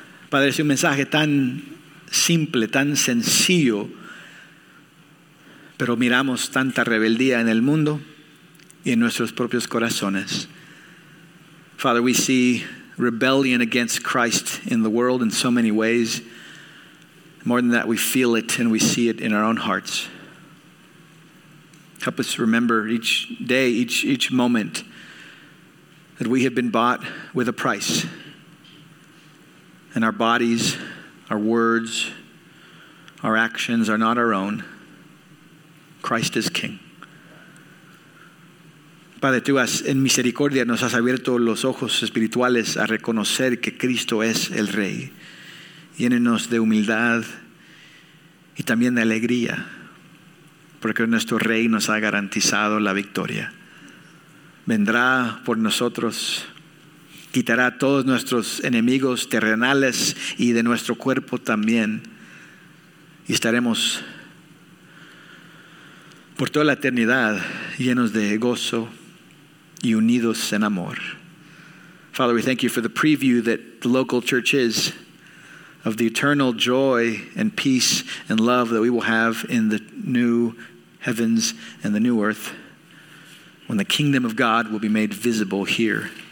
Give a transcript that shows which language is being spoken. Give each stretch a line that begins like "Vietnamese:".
Spanish: Padre, es un mensaje tan simple, tan sencillo, pero miramos tanta rebeldía en el mundo y en nuestros propios corazones.
English: Father, we see rebellion against Christ in the world in so many ways. More than that, we feel it and we see it in our own hearts. Help us remember each day, each moment, that we have been bought with a price. And our bodies, our words, our actions are not our own. Christ is King.
Spanish: Padre, tú has, en misericordia, nos has abierto los ojos espirituales a reconocer que Cristo es el Rey. Llénenos de humildad y también de alegría, porque nuestro Rey nos ha garantizado la victoria. Vendrá por nosotros, quitará todos nuestros enemigos terrenales y de nuestro cuerpo también, y estaremos por toda la eternidad llenos de gozo y unidos en amor.
English: Father, we thank you for the preview that the local church is of the eternal joy and peace and love that we will have in the new heavens and the new earth, when the kingdom of God will be made visible here.